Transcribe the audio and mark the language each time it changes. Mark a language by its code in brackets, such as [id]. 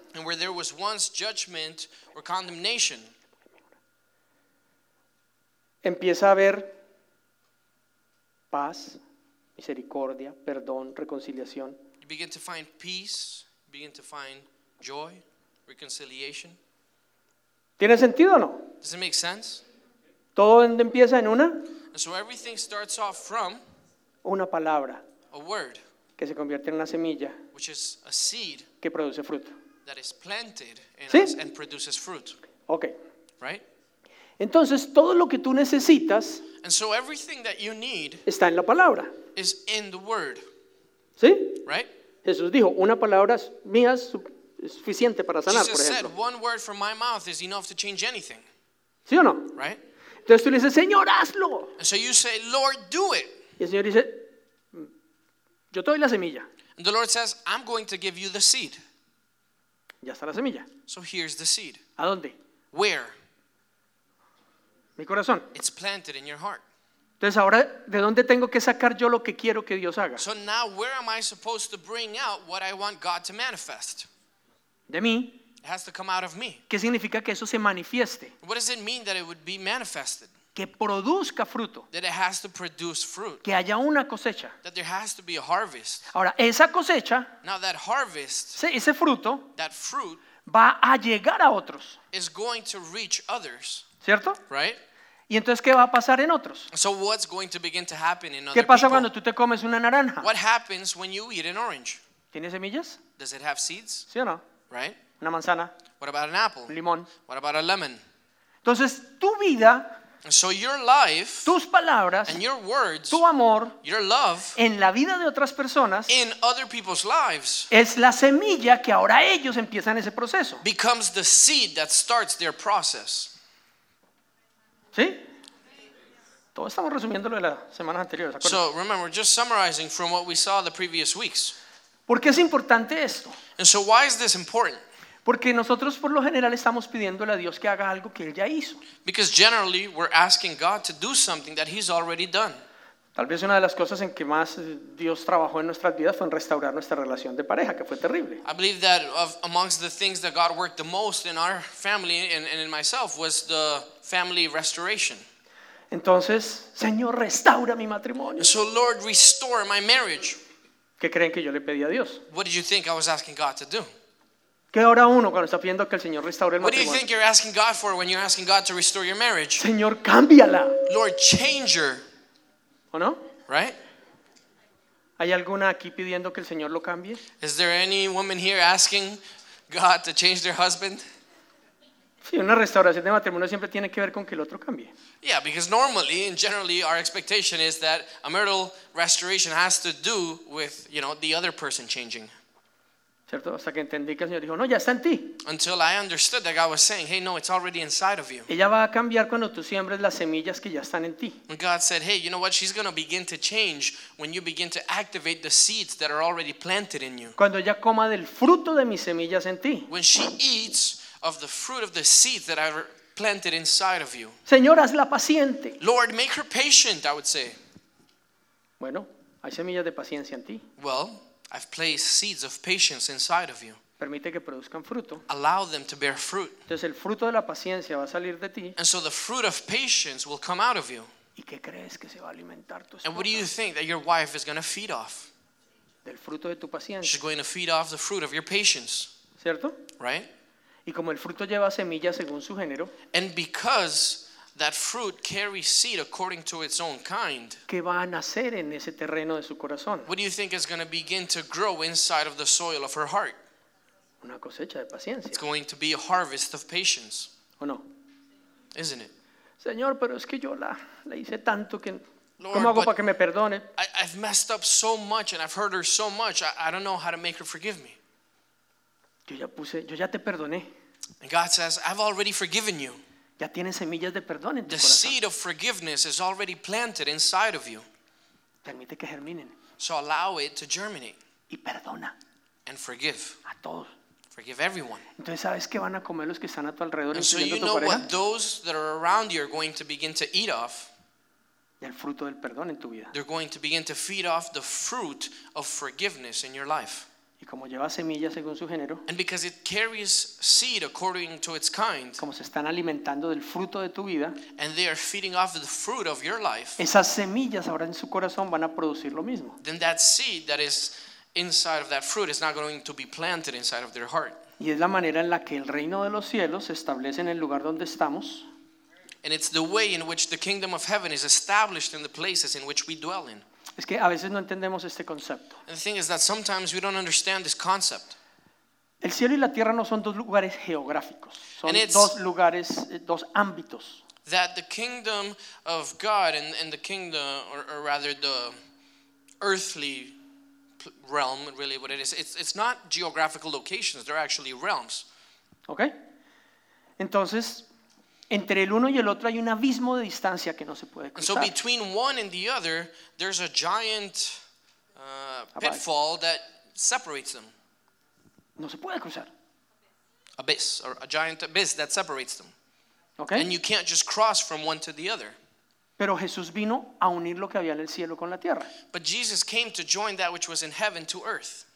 [en] And where there was once judgment or condemnation. [es] Empieza a haber paz, misericordia, perdón, reconciliación. [en] You begin to find peace, begin to find joy, reconciliation. [es] ¿Tiene sentido o no? [en] Does it make sense? [es] Todo empieza en una. [en] And so everything starts off from [es] una palabra. [en] A word. [es] Que se convierte en una semilla. [en] Which is a seed. [es] Que produce fruto. [en] That is planted in [es] ¿sí? [en] us and produces fruit. Okay. Right? [es] Entonces, todo lo que tú necesitas [en] and so everything that you need [es] está en la palabra. [en] Is in the word. [es] ¿Sí? [en] Right? [es] Jesús dijo, una palabra mía es suficiente para sanar, [en] Jesus [es] por ejemplo. [en] Said, one word from my mouth is enough to change anything. [es] ¿Sí o no? [en] Right? [es] Entonces tú le dices, Señor, hazlo. [en] And so you say, Lord, do it. [es] Y el Señor dice, yo te doy la semilla. [en] And the Lord says, I'm going to give you the seed. [es] Ya está la semilla. [en] So here's the seed. [es] ¿A dónde? [en] Where? [es] Mi corazón. [en] It's planted in your heart. [es] Entonces ahora, ¿de dónde tengo que sacar yo lo que quiero que Dios haga? [en] So now, where am I supposed to bring out what I want God to manifest? [es] De mí. [en] It has to come out of me. [es] ¿Qué significa que eso se manifieste? [en] What does it mean that it would be manifested? [es] Que produzca fruto. [en] That it has to produce fruit. [es] Que haya una cosecha. [en] That there has to be a harvest. [es] Ahora, esa cosecha. [en] Now that harvest. [es] Ese fruto. [en] That fruit. [es] Va a llegar a otros. [en] Is going to reach others. [es] ¿Cierto? [en] Right? [es] ¿Y entonces qué va a pasar en otros? [en] So what's going to begin to happen in other [es] ¿qué pasa [en] people? [es] Cuando tú te comes una naranja? [en] What happens when you eat an orange? [es] ¿Tiene semillas? [en] Does it have seeds? [es] ¿Sí o no? [en] Right? [es] Una manzana. [en] What about an apple? [es] Un limón. [en] What about a lemon? [es] Entonces, tu vida, [en] so your life, [es] tus palabras, [en] and your words, [es] tu amor, [en] your love, [es] en la vida de otras personas, [en] in other people's lives, [es] es la semilla que ahora ellos empiezan ese proceso. [en] Becomes the seed that starts their process. [es] ¿Sí? Todos estamos resumiendo lo de las semanas anteriores, ¿acuerdas? [en] So remember, just summarizing from what we saw the previous weeks. [es] ¿Por qué es importante esto? [en] And so why is this important? [es] Porque nosotros por lo general estamos pidiéndole a Dios que haga algo que él ya hizo. [en] Because generally we're asking God to do something that he's already done. [es] Tal vez una de las cosas en que más Dios trabajó en nuestras vidas fue en restaurar nuestra relación de pareja, que fue terrible. [en] I believe that of, amongst the things that God worked the most in our family and in myself was the family restoration. [es] Entonces, Señor, restaura mi matrimonio. [en] So Lord, restore my marriage. [es] ¿Qué creen que yo le pedí a Dios? [en] What did you think I was asking God to do? [es] ¿Qué hora uno cuando está pidiendo que el Señor restaure el matrimonio? [en] What do you think you're asking God for when you're asking God to restore your marriage? [es] Señor, cámbiala. [en] Lord, change her. [es] ¿O no? [en] Right? [es] ¿Hay alguna aquí pidiendo que el Señor lo cambie? [en] Is there any woman here asking God to change their husband? [es] Sí, una restauración de matrimonio siempre tiene que ver con que el otro cambie. [en] Yeah, because normally and generally our expectation is that a marital restoration has to do with, you know, the other person changing. [es] ¿Cierto? Hasta que entendí que el Señor dijo, no, ya está en ti. [en] Until I understood that God was saying, hey, no, it's already inside of you. [es] Ella va a cambiar cuando tú siembres las semillas que ya están en ti. [en] And God said, hey, you know what? She's going to begin to change when you begin to activate the seeds that are already planted in you. [es] Cuando ella coma del fruto de mis semillas en ti. [en] When she eats of the fruit of the seed that I've planted inside of you. [es] Señor, hazla paciente. [en] Lord, make her patient, I would say. [es] Bueno, hay semillas de paciencia en ti. [en] Well, I've placed seeds of patience inside of you. [es] Permite que produzcan fruto. [en] Allow them to bear fruit. [es] Entonces, el fruto de la paciencia va a salir de ti. [en] And so the fruit of patience will come out of you. [es] ¿Y qué crees que se va a alimentar tu esposa? [en] And what do you think that your wife is going to feed off? [es] Del fruto de tu paciencia. [en] She's going to feed off the fruit of your patience. [es] ¿Cierto? [en] Right? [es] Y como el fruto lleva semillas según su género, [en] and because that fruit carries seed according to its own kind, [es] que va a nacer en ese terreno de su corazón. [en] What do you think is going to begin to grow inside of the soil of her heart? [es] Una cosecha de paciencia. [en] It's going to be a harvest of patience. [es] ¿O no? [en] Isn't it? [es] Señor, pero es que yo la hice tanto que Lord, ¿cómo hago para que me perdone? [en] I've messed up so much and I've hurt her so much. I don't know how to make her forgive me. [es] Yo ya te perdoné. [en] And God says, I've already forgiven you. [es] Ya tienes semillas de perdón en tu [en] the [es] corazón. [en] Seed of forgiveness is already planted inside of you. [es] Permite que germinen. [en] So allow it to germinate. [es] Y perdona. [en] And forgive. [es] A todos. [en] Forgive everyone. [es] Entonces, ¿sabes qué van a comer los que están a tu alrededor? [en] And so you know what those that are around you are going to begin to eat off. [es] El fruto del perdón en tu vida. [en] They're going to begin to feed off the fruit of forgiveness in your life. [es] Y como lleva semillas según su género, [en] and because it carries seed according to its kind, [es] como se están alimentando del fruto de tu vida, [en] and they are feeding off the fruit of your life, [es] esas semillas ahora en su corazón van a producir lo mismo. [en] Then that seed that is inside of that fruit is not going to be planted inside of their heart. [es] Y es la manera en la que el reino de los cielos se establece en el lugar donde estamos. [en] And it's the way in which the kingdom of heaven is established in the places in which we dwell in. [es] Es que a veces no entendemos este concepto. [en] And the thing is that sometimes we don't understand this concept. [es] El cielo y la tierra no son dos lugares geográficos. Son dos lugares, dos ámbitos. [en] That the kingdom of God and the kingdom, or rather the earthly realm, really what it is. It's not geographical locations, they're actually realms. Okay. [es] Entonces, entre el uno y el otro hay un abismo de distancia que no se puede cruzar. [en] And so between one and the other, there's a giant pitfall that separates them. [es] No se puede cruzar. [en] Abyss, or a giant abyss that separates them. Okay. And you can't just cross from one to the other. [es] Pero Jesús vino a unir lo que había en el cielo con la tierra. [en] But Jesus came to join that which was in heaven to earth.